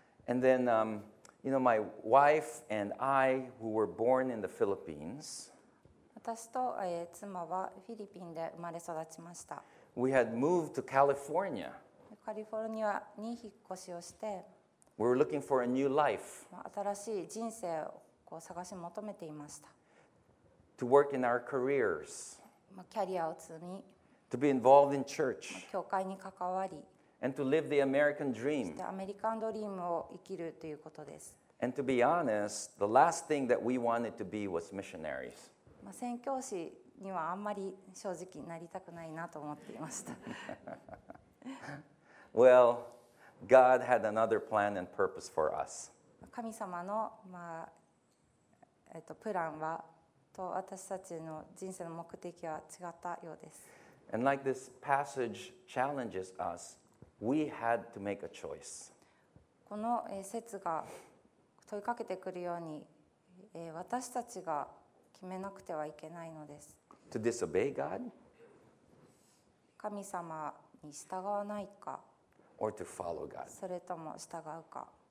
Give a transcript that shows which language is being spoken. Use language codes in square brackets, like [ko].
[en] And then, you know, my wife and I, who were born in the Philippines, [ja] 私と、妻はフィリピンで生まれ育ちました。 [en] We had moved to California. [ja] カリフォルニアに引っ越しをして、 [en] We were looking for a new life. [ja] 新しい人生をこう探し求めていました。 [en] To work in our careers. [ja] キャリアを積み [en] to be involved in church, [ja] 教会に関わり [en] and to live the American dream, [ja] アメリカンドリームを生きるということです [en] and to be honest, the last thing that we wanted to be was missionaries. [ja] 宣教師にはあんまり正直なりたくないなと思っていました [en] Well, God had another plan and purpose for us. [ja] 神様の、プランはと私たちの人生の目的は違ったようです。 [en] And like this passage challenges us, we had to make a choice. [ja] この説が問いかけてくるように、私たちが決めなくてはいけないのです。 [en] To disobey God? [ja] 神様に従わないか。 [en] Or to follow God? [ja] それとも従うか。